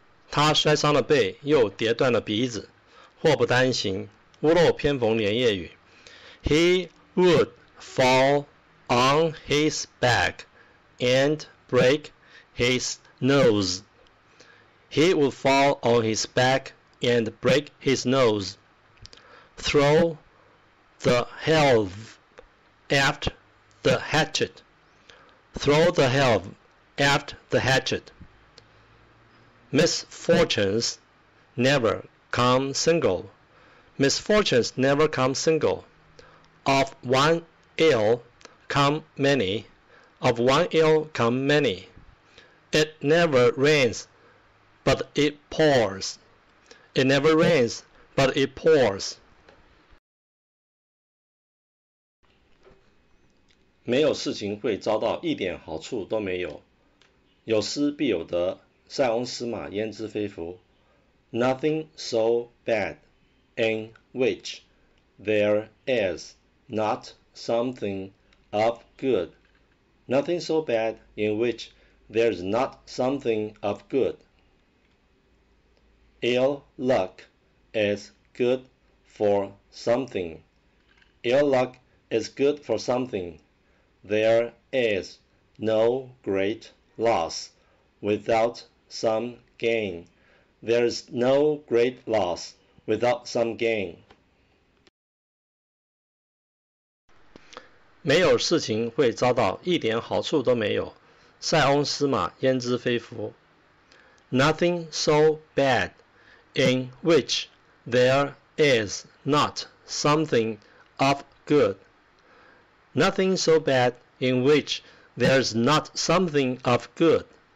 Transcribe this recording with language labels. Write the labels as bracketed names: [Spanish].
[Chinese] 他摔伤了背，又跌断了鼻子。祸不单行，屋漏偏逢连夜雨。 [English] He would fall on his back and break his nose. He would fall on his back and break his nose. Throw the helve aft the hatchet. Throw the helve aft the hatchet. Misfortunes never come single. Misfortunes never come single. Of one ill come many. Of one ill come many. It never rains, but it pours. It never rains, but it pours. [Chinese] 没有事情会遭到一点好处都没有。有失必有得，塞翁失马，焉知非福。 [English] Nothing so bad in which there is not something of good. Nothing so bad in which there is not something of good. Ill luck is good for something. Ill luck is good for something. There is no great loss without some gain. There is no great loss without some gain. [Chinese] 没有事情会遭到一点好处都没有。塞翁失马，焉知非福。 [English] Nothing so bad in which there is not something of good. Nothing so bad in which there is not something of good.